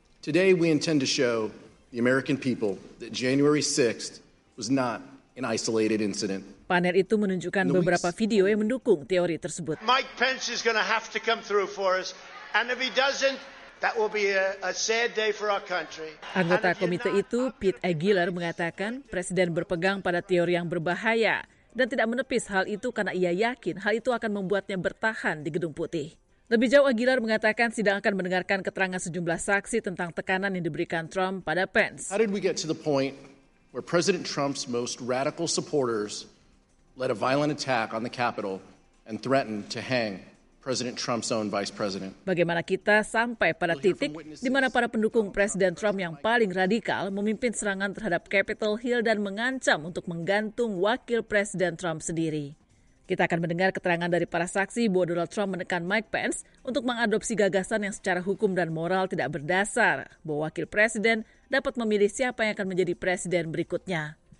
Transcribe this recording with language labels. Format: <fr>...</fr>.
<en>Today we intend to show the American people that January 6th was not an isolated incident.</en> <id>Panel itu menunjukkan beberapa video yang mendukung teori tersebut.</id> <en>Mike Pence is going to have to come through for us, and if he doesn't, that will be a sad day for our country.</en> <id>Anggota komite itu, Pete Aguilar, mengatakan presiden berpegang pada teori yang berbahaya dan tidak menepis hal itu karena ia yakin hal itu akan membuatnya bertahan di Gedung Putih. Lebih jauh, Aguilar mengatakan sidang akan mendengarkan keterangan sejumlah saksi tentang tekanan yang diberikan Trump pada Pence.</id> <en>How did we get to the point where President Trump's most radical supporters led a violent attack on the Capitol and threatened to hang President Trump's own vice president?</en> <id>Bagaimana kita sampai pada titik di mana para pendukung Presiden Trump yang paling radikal memimpin serangan terhadap Capitol Hill dan mengancam untuk menggantung wakil Presiden Trump sendiri? Kita akan mendengar keterangan dari para saksi bahwa Donald Trump menekan Mike Pence untuk mengadopsi gagasan yang secara hukum dan moral tidak berdasar, bahwa wakil presiden dapat memilih siapa yang akan menjadi presiden berikutnya.</id>